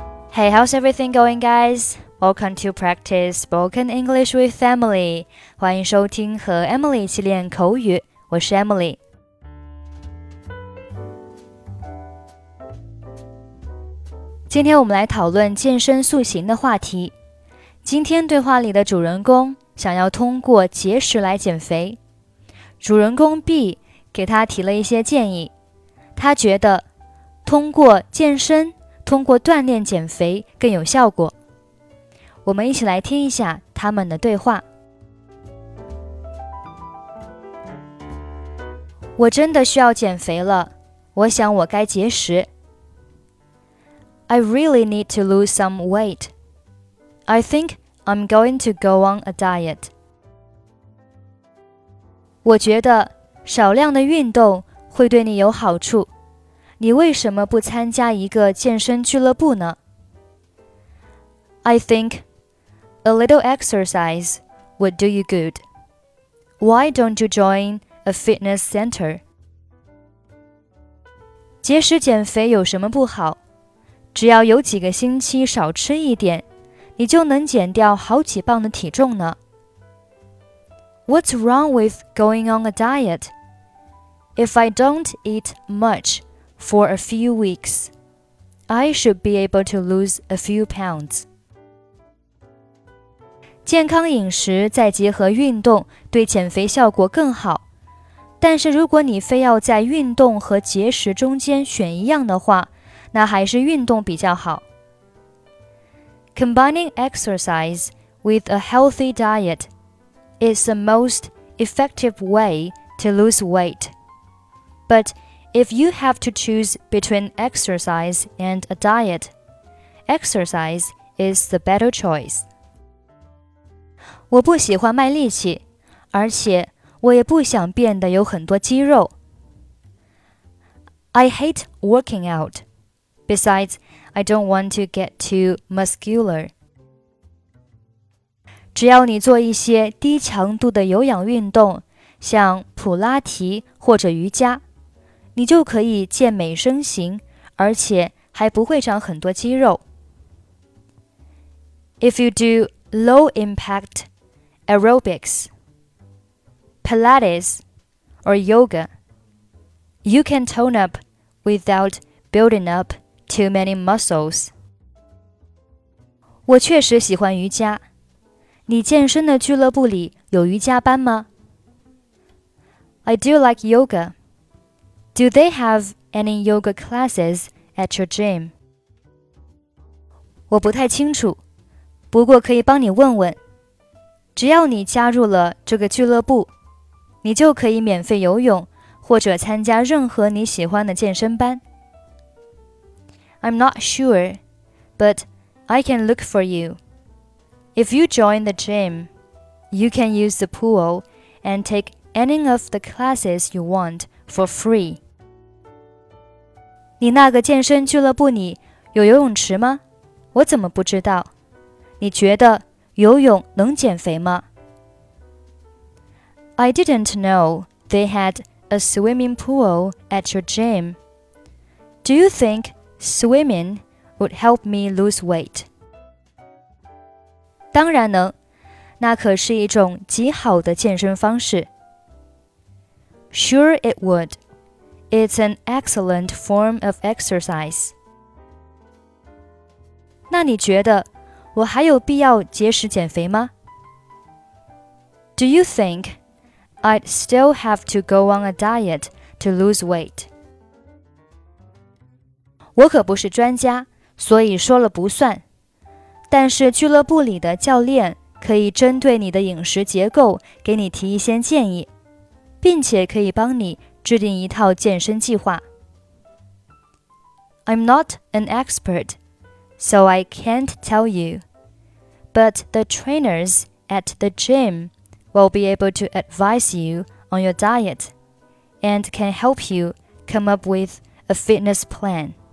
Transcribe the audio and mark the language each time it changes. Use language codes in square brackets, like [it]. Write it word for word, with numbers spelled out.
[en] Hey, how's everything going, guys? Welcome to practice spoken English with Emily. [zh] 欢迎收听和 Emily 一起练口语，我是 Emily。今天我们来讨论健身塑形的话题。今天对话里的主人公想要通过节食来减肥，主人公 B 给他提了一些建议。他觉得通过健身通过锻炼减肥更有效果。我们一起来听一下他们的对话。我真的需要减肥了，我想我该节食。 [en] I really need to lose some weight. I think I'm going to go on a diet. [zh] 我觉得少量的运动会对你有好处。你为什么不参加一个健身俱乐部呢？ [en] I think a little exercise would do you good. Why don't you join a fitness center? [zh] 节食减肥有什么不好？只要有几个星期少吃一点，你就能减掉好几磅的体重呢。 [en] What's wrong with going on a diet? If I don't eat much,For a few weeks, I should be able to lose a few pounds. [zh] 健康饮食再结合运动，对减肥效果更好。但是如果你非要在运动和节食中间选一样的话，那还是运动比较好。 [en] Combining exercise with a healthy diet is the most effective way to lose weight. But,If you have to choose between exercise and a diet, exercise is the better choice. [zh] 我不喜欢卖力气，而且我也不想变得有很多肌肉。 [en] I hate working out. Besides, I don't want to get too muscular. [zh] 只要你做一些低强度的有氧运动，像普拉提或者瑜伽。你就可以健美身形，而且还不会长很多肌肉。 [en] If you do low-impact aerobics, Pilates, or yoga, you can tone up without building up too many muscles. [zh] 我确实喜欢瑜伽。你健身的俱乐部里有瑜伽班吗？ [en] I do like yoga. Do they have any yoga classes at your gym? [zh] 我不太清楚，不过可以帮你问问。只要你加入了这个俱乐部，你就可以免费游泳，或者参加任何你喜欢的健身班。 [en] I'm not sure, but I can look for you. If you join the gym, you can use the pool and take any of the classes you want for free. [zh] 你那个健身俱乐部里有游泳池吗？我怎么不知道？你觉得游泳能减肥吗？ [en] I didn't know they had a swimming pool at your gym. Do you think swimming would help me lose weight? [zh] 当然能，那可是一种极好的健身方式。 [en] Sure it would. It's an excellent form of exercise. [zh] 那你觉得我还有必要节食减肥吗？ [en] Do you think I'd still have to go on a diet to lose weight? [zh] 我可不是专家，所以说了不算。但是俱乐部里的教练可以针对你的饮食结构给你提一些建议。并且可以帮你制定一套健身计划。 [en] I'm not an expert, so I can't tell you. But the trainers at the gym will be able to advise you on your diet and can help you come up with a fitness plan.